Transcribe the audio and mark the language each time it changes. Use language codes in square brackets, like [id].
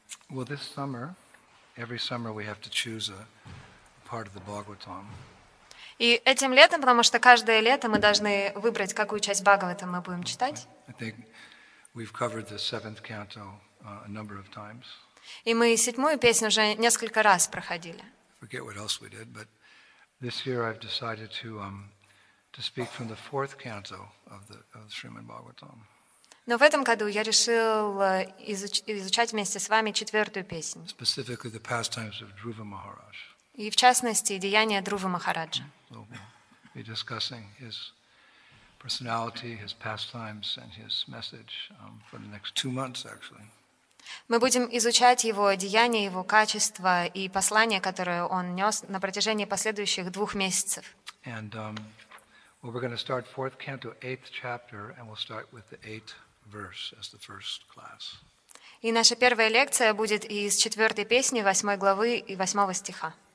[en] Well, this summer, every summer we have to choose a part of the Bhagavatam. [ru] И этим летом, потому что каждое лето мы должны выбрать, какую часть Бхагаватам мы будем читать. [en] I think we've covered the seventh canto a number of times. [ru] И мы седьмую песню уже несколько раз проходили. [en] I forget what else we did, but this year I've decided to speak from the fourth canto of the Srimad Bhagavatam. [ru] Но в этом году я решил изучать вместе с вами четвертую песню. [en] Specifically the pastimes of Dhruva Maharaj. [ru] И в частности деяния Друвы Махараджа. [en] So we'll be discussing his personality, his pastimes, and his message for the next two months, actually. [ru] Мы будем изучать его деяния, его качества и послания, которые он нес на протяжении последующих двух месяцев. [en] And well, we're going to start fourth canto, eighth chapter, and we'll start with the eighth verse as the first class. [ru] И наша первая лекция будет из четвертой песни, восьмой главы и восьмого стиха.